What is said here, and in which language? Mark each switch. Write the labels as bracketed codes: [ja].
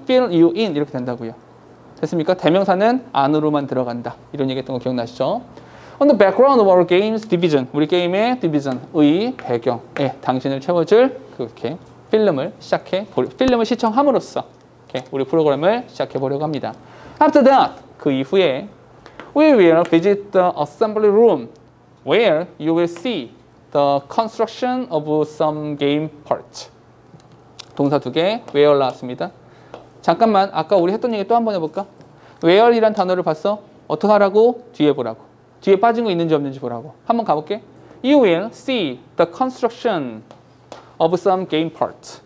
[en] fill you in [ko] 이렇게 된다고요. 됐습니까? 대명사는 안으로만 들어간다. 이런 얘기했던 거 기억나시죠? [en] On the background of our games division. [ko] 우리 게임의 division의 배경에 당신을 채워줄 그렇게 필름을 시작해 필름을 시청함으로써 이렇게 우리 프로그램을 시작해 보려고 합니다. [en] After that, [ko] 그 이후에 [en] We will visit the assembly room where you will see the construction of some game parts. [ko] 동사 두 개, where 나왔습니다. 잠깐만, 아까 우리 했던 얘기 또 한번 해볼까? where이란 단어를 봤어? 어떻게 하라고? 뒤에 보라고. 뒤에 빠진 거 있는지 없는지 보라고. 한번 가볼게. [en] You will see the construction of some game parts.